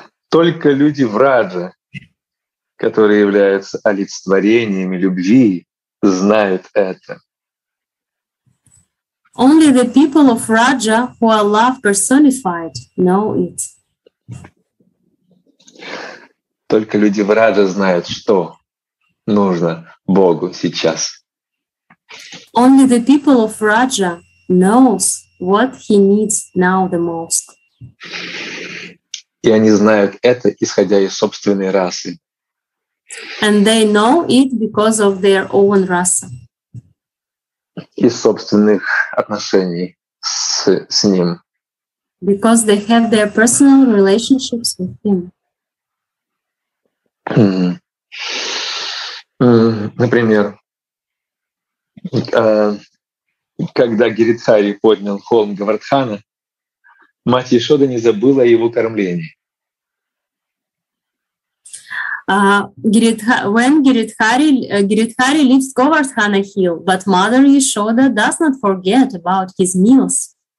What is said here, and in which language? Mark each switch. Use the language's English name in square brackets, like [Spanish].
[Russian] Только люди в Радже, которые являются олицетворениями любви, знают это. [English] Only the people of Raja who are love personified know it. [Russian] Только люди в Раджа знают, что нужно Богу сейчас. [English] Only the people of Raja knows what he needs now the most. [Russian] И они знают это, исходя из собственной расы. [English] And they know it because of their own rasa. [Russian] Из собственных отношений с ним. [English] Because they have their personal relationships with him. [Russian] Например, когда Гиритхари поднял холм Говардхана, мать Яшода не забыла о его кормлении. [English] When Giridhari leaves Govardhana Hill, but Mother Yashoda does not forget about his meals.